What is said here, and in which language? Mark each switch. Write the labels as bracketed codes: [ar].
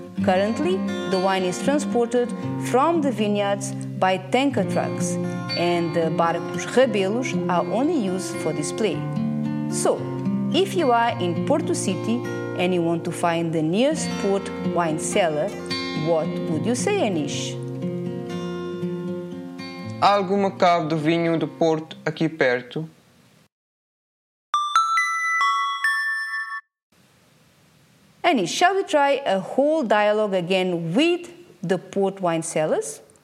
[en] Currently, the wine is transported from the vineyards by tanker trucks, and the Barcos Rabelos are only used for display. So, if you are in Porto City and you want to find the nearest port wine cellar, what would you say, Anish? [pt] Há alguma cave do vinho do Porto aqui perto? [en] Anish, shall we try a whole dialogue again with the port wine cellars?